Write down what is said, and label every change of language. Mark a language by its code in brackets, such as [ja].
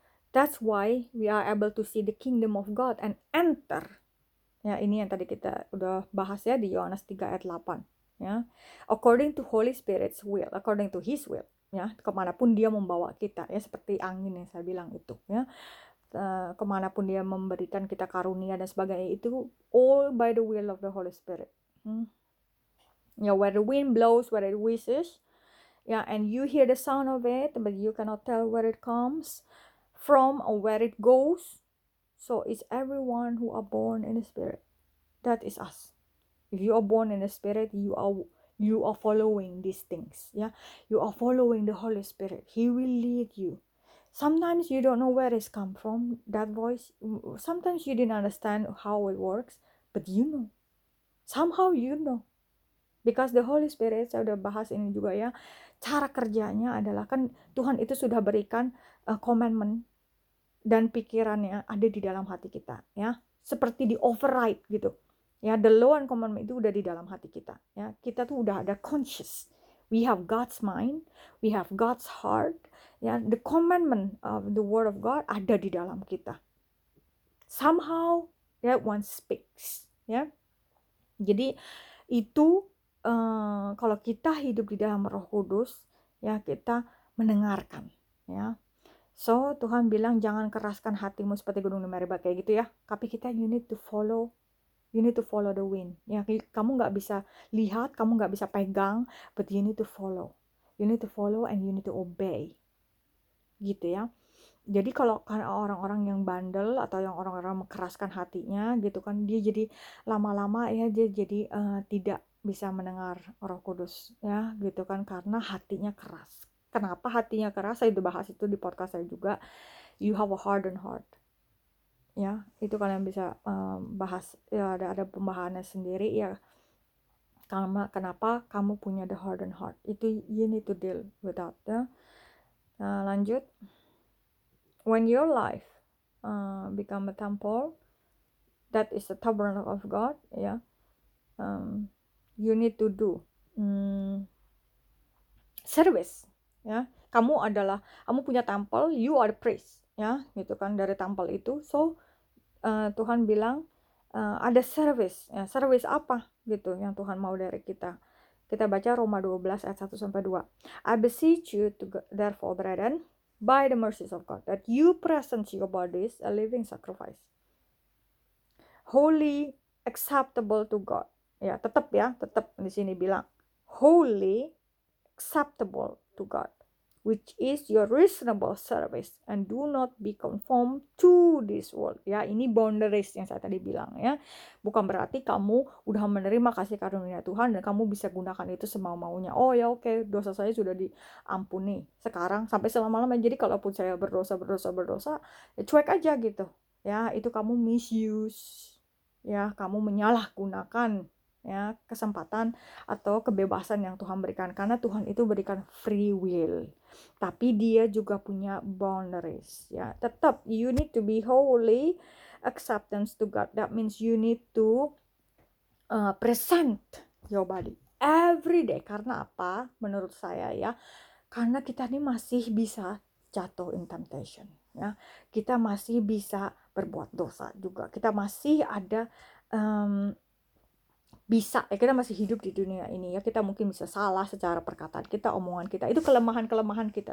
[en] That's why we are able to see the kingdom of God and enter. [id] Ya, ini yang tadi kita udah bahas ya di Yohanes 3 ayat 8. Ya, [en] according to Holy Spirit's will, according to His will, [id] ya, kemanapun Dia membawa kita, ya, seperti angin yang saya bilang itu, ya, kemanapun Dia memberikan kita karunia dan sebagainya itu, [en] all by the will of the Holy Spirit. Ya, where the wind blows, where it wishes, ya, and you hear the sound of it, but you cannot tell where it comes from or where it goes. So it's everyone who are born in the Spirit. That is us. If you are born in the spirit, You are following these things. Yeah, you are following the Holy Spirit. He will lead you. Sometimes you don't know where it's come from, that voice. Sometimes you didn't understand how it works, but you know. Somehow you know. Because the Holy Spirit, [id] saya udah bahas ini juga ya, cara kerjanya adalah kan Tuhan itu sudah berikan commandment dan pikirannya ada di dalam hati kita, ya. Seperti di override gitu. Ya, [en] the law and commandment [id] itu udah di dalam hati kita, ya. Kita tuh udah ada conscious. [en] We have God's mind, we have God's heart. Ya, the commandment of the word of God [id] ada di dalam kita. [en] Somehow that one speaks, [id] ya. Jadi itu kalau kita hidup di dalam Roh Kudus, ya, kita mendengarkan, ya. So Tuhan bilang jangan keraskan hatimu seperti gunung Meriba kayak gitu ya. Tapi kita [en] you need to follow the wind. [id] Ya, kamu enggak bisa lihat, kamu enggak bisa pegang, [en] but you need to follow. You need to follow and you need to obey. [id] Gitu ya. Jadi kalau orang-orang yang bandel atau yang orang-orang mengkeraskan hatinya gitu kan, dia jadi lama-lama ya dia jadi tidak bisa mendengar Roh Kudus ya, gitu kan, karena hatinya keras. Kenapa hatinya keras? Saya udah bahas itu di podcast saya juga. [en] You have a hardened heart. [id] Ya, itu kalian bisa bahas ya, ada pembahasannya sendiri ya. Karena kenapa kamu punya [en] the hardened heart? [id] Itu [en] you need to deal with that. [id] Ya. Lanjut. [en] When your life become a temple, that is the tabernacle of God, ya. You need to do service. [id] Ya, kamu adalah, kamu punya temple, [en] you are the priest, [id] ya, gitu kan, dari temple itu. So Tuhan bilang ada service, ya, service apa gitu yang Tuhan mau dari kita. Kita baca Roma 12 ayat 1-2. [en] I beseech you to therefore brethren, by the mercies of God, that you present your bodies a living sacrifice, holy, acceptable to God. [id] Ya, tetap di sini bilang [en] holy, acceptable to God, which is your reasonable service, and do not be conformed to this world. [id] Ya, ini boundaries yang saya tadi bilang ya. Bukan berarti kamu udah menerima kasih karunia Tuhan dan kamu bisa gunakan itu semau-maunya. Oh ya, oke, dosa saya sudah diampuni sekarang sampai selama-lamanya. Jadi kalaupun saya berdosa, ya cuek aja gitu. Ya, itu kamu misuse. Ya, kamu menyalahgunakan ya kesempatan atau kebebasan yang Tuhan berikan, karena Tuhan itu berikan free will, tapi dia juga punya boundaries ya. Tetap [en] you need to be holy, acceptance to God, that means you need to present your body every day. [id] Karena apa? Menurut saya ya, karena kita ini masih bisa jatuh [en] in temptation [id] ya, kita masih bisa berbuat dosa juga, kita masih ada bisa ya, kita masih hidup di dunia ini ya, kita mungkin bisa salah secara perkataan kita, omongan kita, itu kelemahan-kelemahan kita.